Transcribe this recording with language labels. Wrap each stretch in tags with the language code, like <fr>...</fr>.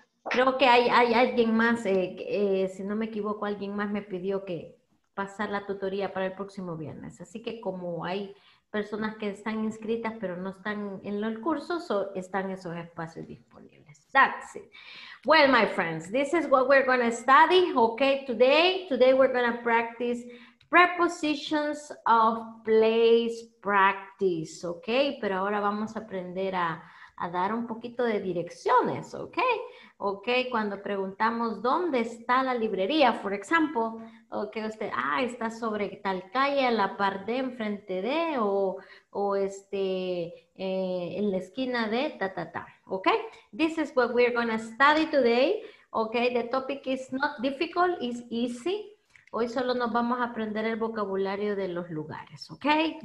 <es>Creo que hay alguien más, si no me equivoco, alguien más me pidió que pasar la tutoría para el próximo viernes. Así que como hay personas que están inscritas pero no están en el curso, so están esos espacios disponibles.</es> <en>That's it. Well, my friends, this is what we're going to study, okay, today. Today we're going to practice prepositions of place practice,</en> <es>okay? Pero ahora vamos a aprender a dar un poquito de direcciones, okay? ok, cuando preguntamos dónde está la librería,</es> <en>for example,</en> <es>ok, usted, ah, está sobre tal calle, a la par de, enfrente de, o en la esquina de, ta, ta, ta, ok.</es> <en>This is what we're going to study today, ok, the topic is not difficult, it's easy.</en> <es>Hoy solo nos vamos a aprender el vocabulario de los lugares, ok.</es>